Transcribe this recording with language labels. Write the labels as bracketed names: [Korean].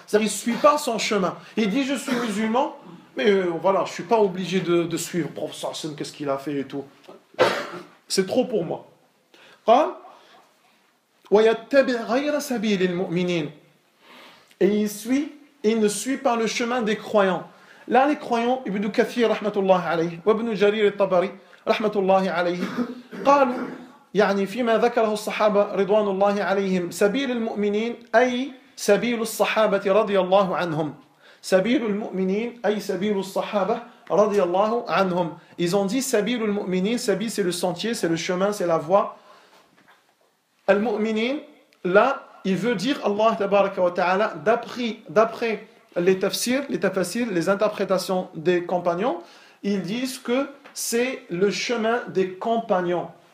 [French] C'est-à-dire, il ne suit pas son chemin. Il dit, je suis musulman, mais voilà, je ne suis pas obligé de suivre le prophète sallallahu alayhi wa sallam, qu'est-ce qu'il a fait et tout. C'est trop pour moi. Hein? [Arabic] وَيَتَّبِعْ غَيْرَ سَبِيلِ الْمُؤْمِنِينَ. [French] Et il suit, il ne suit pas le chemin des croyants. Là, les croyants, [Arabic] Ibn Kathir, rahmatullah alayhi, wa Ibn Jarir al-Tabari, rahmatullahi alayhi, قالوا, يعني فيما ذكره الصحابة رضوان الله عليهم, سبيل المؤمنين, أي سبيل الصحابة رضي الله عنهم. سبيل المؤمنين, أي سبيل الصحابة رضي الله عنهم. [French] Ils ont dit, [Arabic] سبيل المؤمنين, [French] سبيل, c'est le sentier, c'est le chemin, c'est la voie. المؤمنين, là, il veut dire Allah tabaraka wa ta'ala, d'après les tafsirs, les interprétations des compagnons, ils disent que c'est le chemin des compagnons.